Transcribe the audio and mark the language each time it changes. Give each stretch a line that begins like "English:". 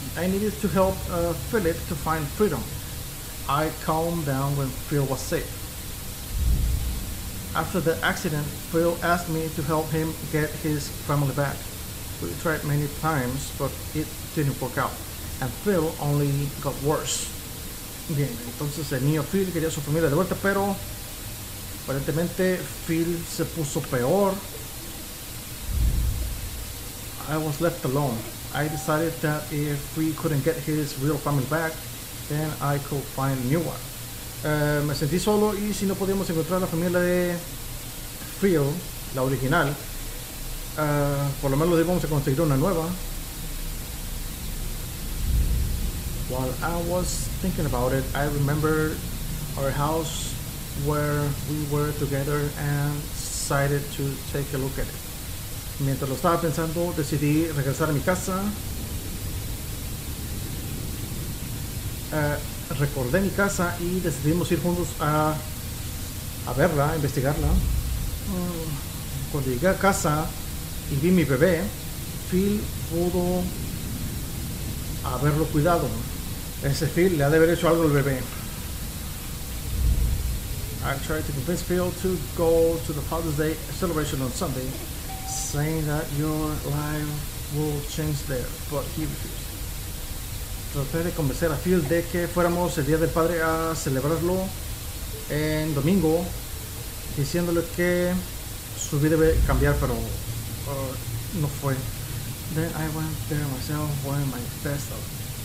English: I needed to help Philip to find freedom. I calmed down when Phil was sick. After the accident, Phil asked me to help him get his family back. We tried many times, but it didn't work out. And Phil only got worse.
Spanish: Bien, entonces el niño Phil quería a su familia de vuelta, pero aparentemente Phil se puso peor.
English: I was left alone. I decided that if we couldn't get his real family back, then I could find a new one.
Spanish: Me sentí solo y si no podíamos encontrar la familia de Phil, la original, por lo menos debemos conseguir una nueva.
English: While I was thinking about it, I remembered our house where we were together and decided to take a look at it.
Spanish: Mientras lo estaba pensando, decidí regresar a mi casa. Recordé mi casa y decidimos ir juntos a verla, a investigarla. Cuando llegué a casa y vi mi bebé, Phil pudo haberlo cuidado. Ese Phil le ha de haber hecho algo al bebé.
English: I tried to convince Phil to go to the Father's Day celebration on Sunday, saying that your life will change there, but he refused.
Spanish: Traté de convencer a Phil de que fuéramos el Día del Padre a celebrarlo en domingo, diciéndole que su vida debe cambiar, pero no fue.
English: Then I went there myself wearing my best outfit.